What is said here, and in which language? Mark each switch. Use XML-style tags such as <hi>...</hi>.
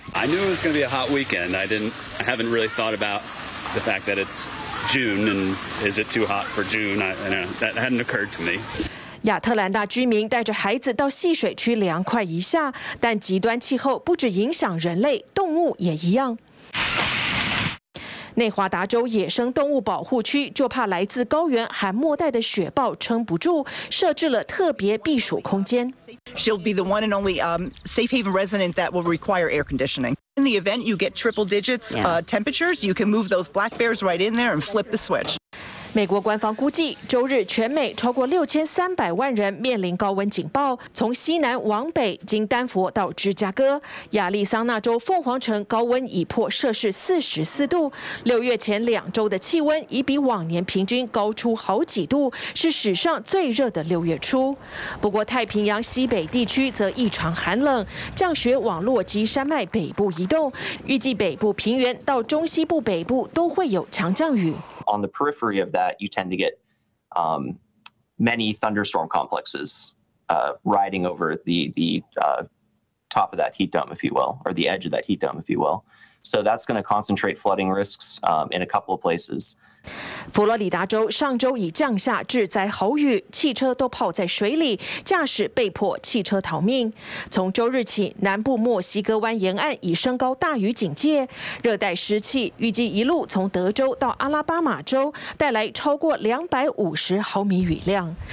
<en>I knew it was going to be a hot weekend. I haven't really thought about the fact that it's... June, and is it too hot for June? That hadn't occurred to me.</en> <zh>亚特兰大居民带着孩子到戏水区凉快一下，但极端气候不止影响人类，动物也一样。内华达州野生动物保护区就怕来自高原寒漠带的雪豹撑不住，设置了特别避暑空间。</zh> <en>She'll be the one and only safe haven resident that will require air conditioning. In the event you get triple digits temperatures, you can move those black bears right in there and flip the switch.</en> <zh>美国官方估计，周日全美超过6300万人面临高温警报，从西南往北，经丹佛到芝加哥、亚利桑那州凤凰城，高温已破摄氏44度。六月前2周的气温已比往年平均高出好几度，是史上最热的六月初。不过，太平洋西北地区则异常寒冷，降雪往落基山脉北部移动，预计北部平原到中西部北部都会有强降雨。</zh> <en>On the periphery of that, you tend to get many thunderstorm complexes riding over the top of that heat dome, if you will, or the edge of that heat dome, if you will. So that's going to concentrate flooding risks in a couple of places.</en> <zh>佛罗里达州上周已降下致灾豪雨，汽车都泡在水里，驾驶被迫弃车逃命。从周日起，南部墨西哥湾沿岸已升高大雨警戒，热带湿气预计一路从德州到阿拉巴马州，带来超过250毫米雨量。</zh>